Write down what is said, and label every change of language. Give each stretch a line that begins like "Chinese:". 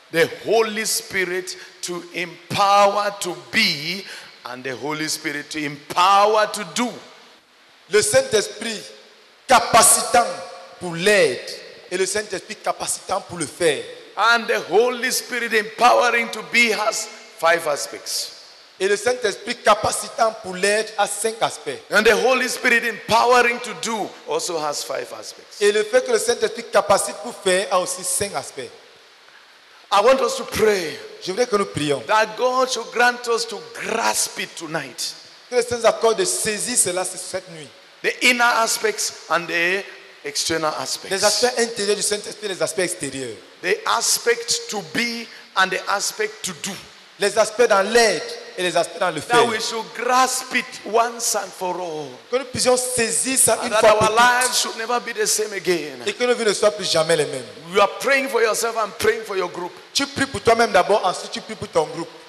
English: The Holy Spirit to empower to be and the Holy Spirit to empower to do.
French: Le Saint-Esprit capacitant pour l'aide et le Saint-Esprit capacitant pour le faire.
English: And the Holy Spirit empowering to be has five aspects.
French: Et le Saint-Esprit capacitant pour l'aide a cinq aspects.
English: And the Holy Spirit empowering to do also has five aspects.
French: Et le fait que le Saint-Esprit capacite pour faire a aussi cinq aspects.
English: I want us to pray.
French: Je voudrais que nous prions.
English: That God should grant us to grasp it tonight.
French: Que le Saint-Esprit accorde de saisir cela cette nuit.
English: The inner aspects and the external aspects.
French: Les aspects intérieurs du Saint-Esprit, les aspects extérieurs.
English: The aspect to be and the aspect to do.
French: Les aspects dans l'aide et les aspects dans le fait.
English: That we should grasp it once and for all.
French: Que nous puissions saisir ça une fois.
English: Our lives should never be the same again.
French: Et que nos vies ne soient plus jamais les mêmes.
English: You are praying for yourself and praying for your group.
French: Tu pries pour toi-même d'abord, ensuite tu pries pour ton groupe.